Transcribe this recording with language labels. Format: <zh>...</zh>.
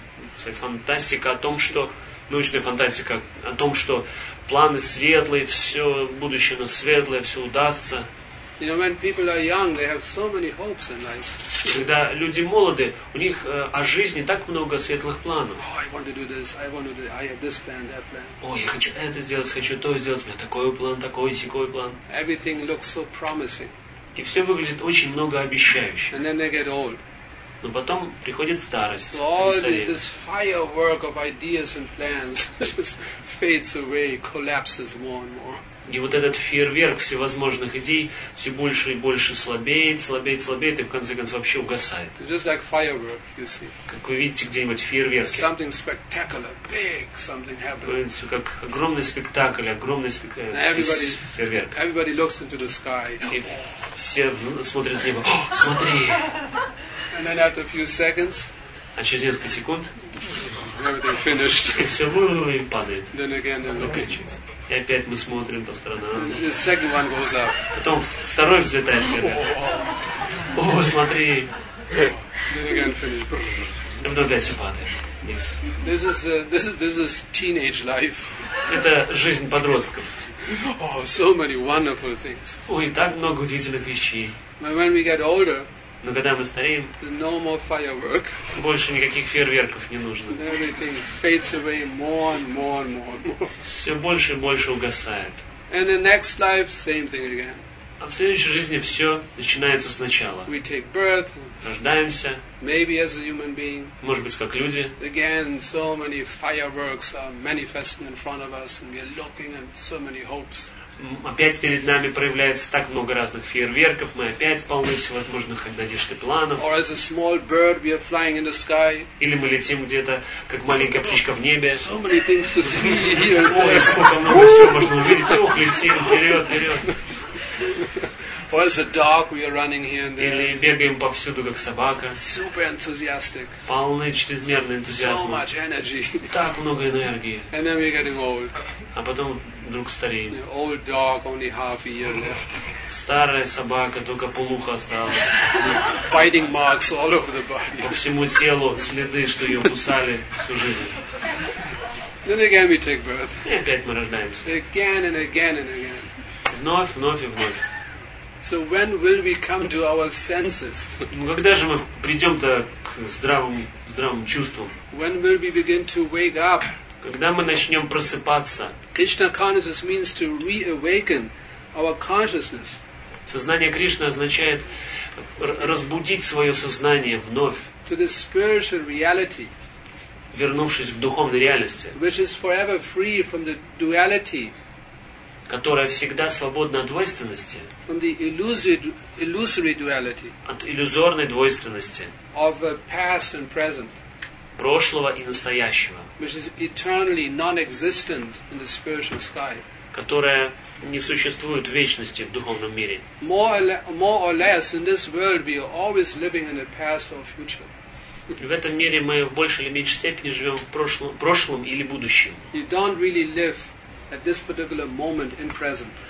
<ru>Научная фантастика о том, что планы светлые, все будущее на светлое, все удастся.</ru> <en>You know, when people are young, they have so many hopes in life.</en> <ru>Когда люди молоды, у них о жизни так много светлых планов.</ru> <en>Oh, I want to do this, I want to do this, I have this plan, that plan.</en> <ru>Ой, я хочу это сделать, хочу то сделать, у меня такой план, такой сякой план.</ru> <en>Everything looks so promising.</en> <ru>И все выглядит очень многообещающе.</ru> <en>And then they get old.</en> <ru>Но потом приходит старость.</ru> <en>So all this firework of ideas and plans fades away, collapses more and more.</en> <ru>И вот этот фейерверк всевозможных идей все больше и больше слабеет, слабеет, слабеет, и в конце концов вообще угасает.</ru> <en>Just like firework, you see.</en> <ru>Как вы видите где-нибудь в фейерверке.</ru> <en>Something spectacular, big, something happens.</en> <ru>Как огромный спектакль, фейерверк.</ru> <en>Everybody looks into the sky.</en> <ru>И все смотрят в небо. О, смотри!</ru> <en>And then after a few seconds,</en> <ru>а через несколько секунд</ru> <en>everything finished.</en> <ru>И все вырвано и падает.</ru> <en>Then again, then</en> <ru>заканчивается. И опять мы смотрим по сторонам.</ru> <en>The second one goes up.</en> <ru>Потом второй взлетает вверх. О, смотри.</ru> <en>Then again finish.</en> <ru>И вновь опять все падает.</ru> <en>This is teenage life.</en> <ru>Это жизнь подростков.</ru> <en>Oh, so many wonderful things.</en> <ru>Ой, так много удивительных вещей.</ru> <en>But when we get older,</en> <ru>но когда мы стареем,</ru> <en>no more firework.</en> <ru>Больше никаких фейерверков не нужно.</ru> <en>Everything fades away more and more and more.</en> <ru>Все больше и больше угасает.</ru> <en>And the next life, same thing again.</en> <ru>А в следующей жизни все начинается сначала.</ru> <en>We take birth.</en> <ru>Рождаемся.</ru> <en>Maybe as a human being.</en> <ru>Может быть, как люди.</ru> <en>Again, so many fireworks are manifesting in front of us, and we are looking at so many hopes.</en> <ru>Опять перед нами проявляется так много разных фейерверков, мы опять полны всевозможных надежд и планов.</ru> <en>Or as a small bird, we are flying in the sky.</en> <ru>Или мы летим где-то, как маленькая птичка в небе.</ru> <en>So many things to see here.</en> <ru>Ой, сколько много всего можно увидеть. Ох, летим, вперед, вперед.</ru> <en>Or as a dog, we are running here and there.</en> <ru>Или бегаем повсюду, как собака.</ru> <en>Super enthusiastic.</en> <ru>Полны чрезмерный энтузиазм.</ru> <en>So much energy.</en> <ru>Так много энергии.</ru> <en>And then we're getting old.</en> <ru>А потом вдруг стареем.</ru> <en>Old dog, only half a year left.</en> <ru>Старая собака, только полуха осталась.</ru> <en>Fighting marks all over the body.</en> <ru>По всему телу следы, что ее кусали всю жизнь.</ru> <en>Then again we take birth.</en> <ru>И опять мы рождаемся.</ru> <en>Again and again and again.</en> <ru>Вновь, вновь и вновь.</ru> <en>So when will we come to our senses?</en> <ru>Ну когда же мы придем-то к здравым чувствам?</ru> <en>When will we begin to wake up?</en> <ru>Когда мы начнем просыпаться?</ru> <en>Krishna consciousness means to reawaken our consciousness.</en> <ru>Сознание Кришны означает разбудить свое сознание вновь.</ru> <en>To the spiritual reality.</en> <ru>Вернувшись к духовной реальности.</ru> <en>Which is forever free from the duality.</en> <ru>которая всегда свободна от двойственности,</ru> <en>from the illusory duality,</en> <ru>от иллюзорной двойственности</ru> <en>of the past and present,</en> <ru>прошлого и настоящего,</ru> <en>which is eternally non-existent in the spiritual sky,</en> <ru>которая не существует в вечности в духовном мире.</ru> <en>More or less in this world we are always living in the past or future.</en> <ru>В этом мире мы в большей или меньшей степени живем в прошлом или будущем.</ru> <en>You don't really live at this particular moment in present.</en>